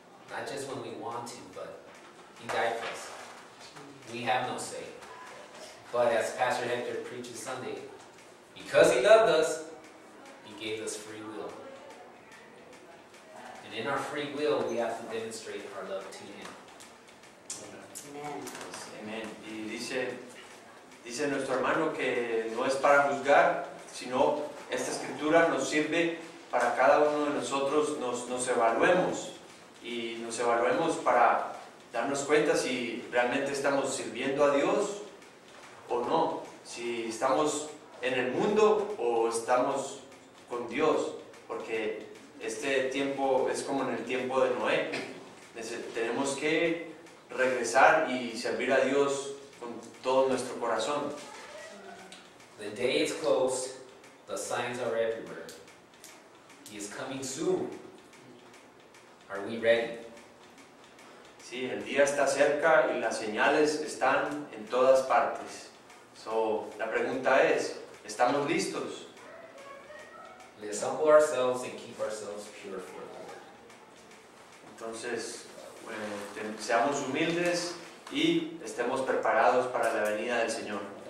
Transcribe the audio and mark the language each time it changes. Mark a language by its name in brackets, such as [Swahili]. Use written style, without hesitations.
[English] Not just when we want to, but He died for us. We have no say. But as Pastor Hector preaches Sunday, because He loved us, He gave us free will. And in our free will, we have to demonstrate our love to Him. Amen. Amen. [Spanish] Y dice, dice nuestro hermano que no es para juzgar, sino esta escritura nos sirve para cada uno de nosotros nos evaluemos. Y nos evaluemos para darnos cuenta si realmente estamos sirviendo a Dios o no, si estamos en el mundo o estamos con Dios, porque este tiempo es como en el tiempo de Noé. Tenemos que regresar y servir a Dios con todo nuestro corazón. [English] The day is close, the signs are everywhere. He is coming soon. Are we ready? [Spanish] Sí, el día está cerca y las señales están en todas partes. So, la pregunta es, ¿estamos listos? [English] Let's humble ourselves and keep ourselves pure for the Lord. [Spanish] Entonces, bueno, seamos humildes y estemos preparados para la venida del Señor.